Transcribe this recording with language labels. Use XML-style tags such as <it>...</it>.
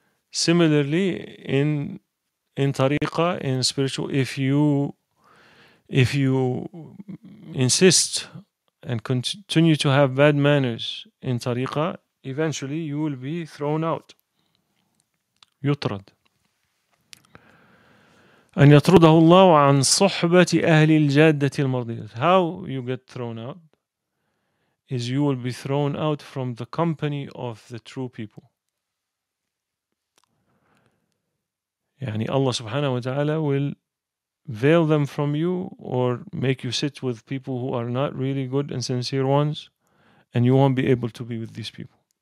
<en>Similarly, in tariqah, in spiritual, if you insist and continue to have bad manners in tariqah, eventually you will be thrown out. Yutrad.</en> <ar>أن يطرده الله عن صحبة أهل الجادة المرضية.</ar> <en>How you get thrown out is you will be thrown out from the company of the true people. Yani Allah subhanahu wa ta'ala will veil them from you or make you sit with people who are not really good and sincere ones, and you won't be able to be with these people.</en>